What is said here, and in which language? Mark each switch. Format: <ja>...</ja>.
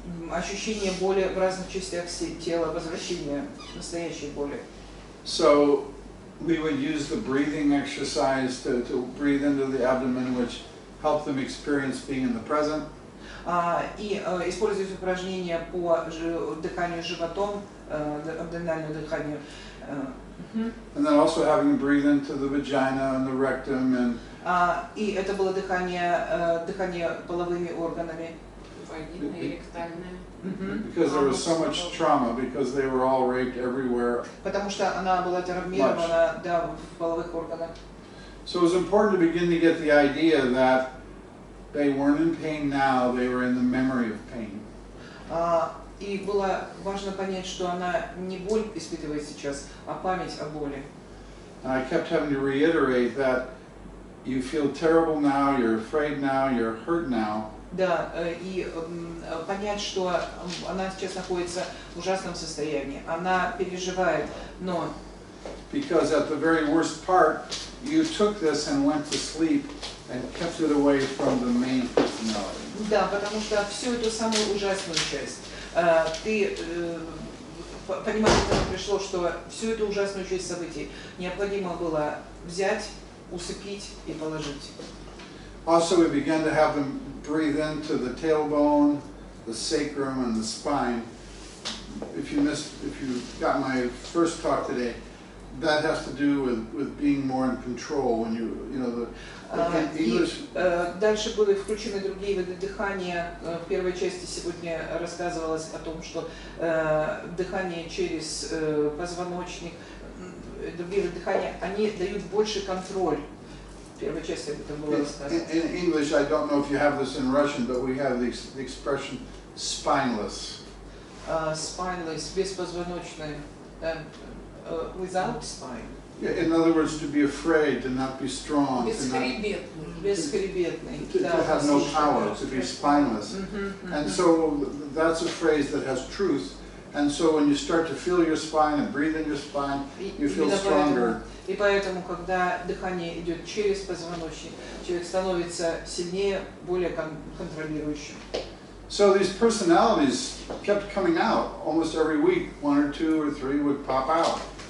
<ru>Ощущение боли в разных частях тела, возвращение настоящей боли.</ru> <en>So we would use the breathing exercise to breathe into the abdomen, which helped them experience being in the present.</en> <ru>Использовать упражнения по дыханию животом, абдоминальному дыханию.</ru> <en>And then also having them breathe into the vagina and the rectum and.</en> <ru>И это было дыхание половыми органами.</ru> <en>Because there was so much trauma, because they were all raped everywhere.</en> <ru>Потому что она была травмирована, да, в половых органах.</ru> <en>So it was important to begin to get the idea that they weren't in pain now; they were in the memory of pain.</en> <ru>И было важно понять, что она не боль испытывает сейчас, а память о боли.</ru> <en>I kept having to reiterate that you feel terrible now, you're afraid now, you're hurt now.</en> <ru>Да, и понять, что она сейчас находится в ужасном состоянии. Она переживает, но.</ru> <en>Because at the very worst part, you took this and went to sleep and kept it away from the main personality.</en> <ru>Да, потому что всю эту самую ужасную часть. Ты понимаешь, когда пришло, что всю эту ужасную часть событий необходимо было взять, усыпить и положить.</ru> <en>Also, we began to have them breathe into the tailbone, the sacrum, and the spine. If you got my first talk today, that has to do with being more in control when you know the English.</en> <ru>Дальше были включены другие виды дыхания. В первой части сегодня рассказывалось о том, что дыхание через позвоночник, другие виды дыхания, они дают больше контроль.</ru> <en>In English, I don't know if you have this in Russian, but we have the expression spineless. Spineless, беспозвоночный, without spine. Yeah, in other words, to be afraid, to not be strong.</en> <ru>Бесхребетный.</ru> <en>To have no power, to be spineless. And so that's a phrase that has truth. And so when you start to feel your spine and breathe in your spine, you feel stronger.</en> <ru>И поэтому, когда дыхание идет через позвоночник, человек становится сильнее, более контролирующим.</ru> <en>So these personalities kept coming out almost every week. One or two or three would pop out.</en>